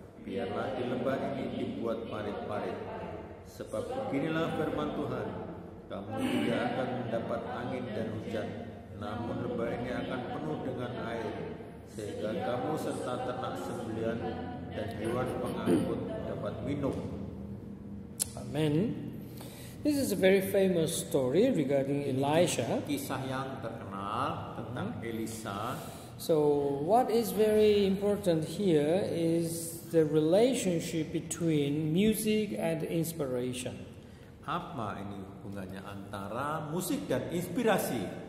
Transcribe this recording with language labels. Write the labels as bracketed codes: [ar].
[id] biarlah di lembah ini dibuat parit-parit. Sebab beginilah firman Tuhan, kamu tidak akan mendapat angin dan hujan, namun lembah ini akan penuh dengan air, sehingga kamu serta ternak sembelian dan hewan pengangkut dapat minum. Amen. [en] This is a very famous story regarding Elisha. [id] Kisah yang terkenal tentang Elisa. [en] So what is very important here is the relationship between music and inspiration. [id] Apa ini hubungannya antara musik dan inspirasi?